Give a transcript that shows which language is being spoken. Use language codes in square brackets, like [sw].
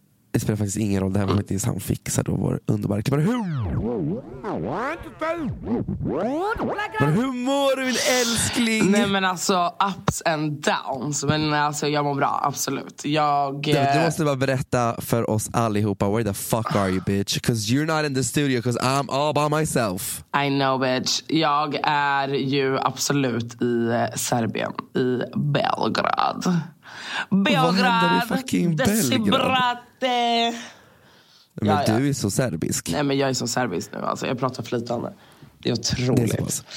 [sv] Det spelar faktiskt ingen roll. Det här var inte ens han fixar då vår underbara klippare. Men hur mår du, min älskling? Nej, men alltså, [en] ups and downs. [sv] Men alltså, jag mår bra, absolut. Du måste bara berätta för oss allihopa. [en] Where the fuck are you, bitch? Because you're not in the studio, because I'm all by myself. I know, bitch. [sv] Jag är ju absolut i Serbien, i Belgrad. Belgrad, desibrate. Men ja, du är så serbisk. Nej, men jag är så serbisk nu, alltså. Jag pratar flytande. Det är otroligt.